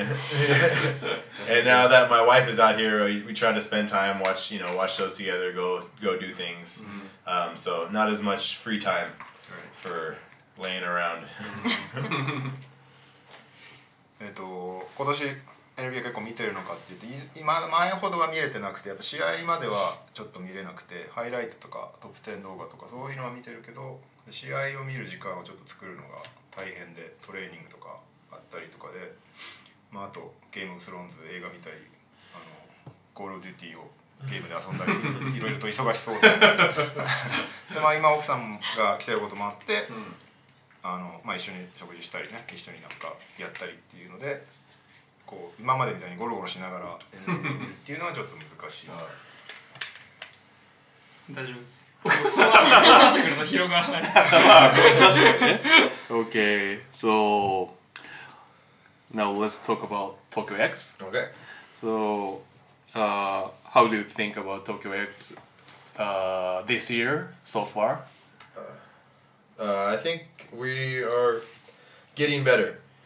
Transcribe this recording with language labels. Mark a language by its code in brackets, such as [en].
[en] and now that my wife is out here, we try to spend time, watch shows together, go do things. Mm-hmm. So not as much free time for laying around. [ja] 今年NBA 結構見てるのかって言って今前ほどは見れてなくてやっぱ試合まではちょっと見れなくてハイライトとかトップ10動画とかそういうのは見てるけど試合を見る時間をちょっと作るのが大変でトレーニングとかあったりとかで、まあ、あとゲームオブスローンズ映画見たりあのコールオブデューティーをゲームで遊んだりいろいろと忙しそうで、でまあ、今奥さんが来てることもあって、うんまあ、一緒に食事したりね一緒になんかやったりっていうのでこう今までみたいにゴロゴロしながらっていうのはちょっと難しい。大丈夫です。そうなってくると広がらない。 確かにね。 [en] Okay, so now let's talk about Tokyo X. Okay. So, how do you think about Tokyo X, this year so far? I think we are getting better.